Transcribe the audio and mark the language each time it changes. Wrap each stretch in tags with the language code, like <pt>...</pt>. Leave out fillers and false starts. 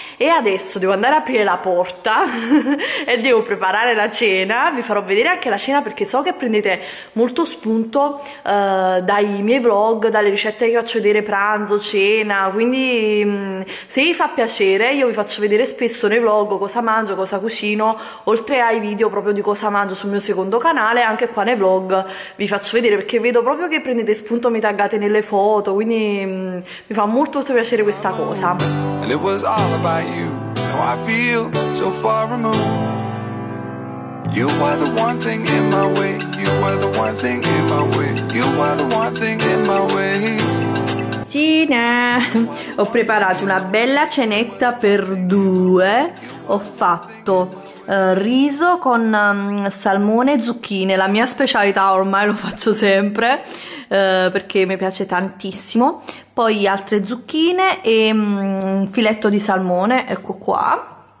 <it>E adesso devo andare a aprire la porta e devo preparare la cena, vi farò vedere anche la cena perché so che prendete molto spunto dai miei vlog, dalle ricette che faccio vedere, pranzo, cena, quindi se vi fa piacere io vi faccio vedere spesso nei vlog cosa mangio, cosa cucino, oltre ai video proprio di cosa mangio sul mio secondo canale, anche qua nei vlog vi faccio vedere perché vedo proprio che prendete spunto, mi taggate nelle foto, quindi mi fa molto molto piacere questa cosa.</it> <en>And it was all about you. Now I feel so far removed. You are the one thing in my way. You are the one thing in my way. You are the one thing in my way.</en> <it>Cina. Ho preparato una bella cenetta per due. Ho fatto riso con salmone e zucchine, la mia specialità, ormai lo faccio sempre perché mi piace tantissimo. Poi altre zucchine e un filetto di salmone, ecco qua.</it>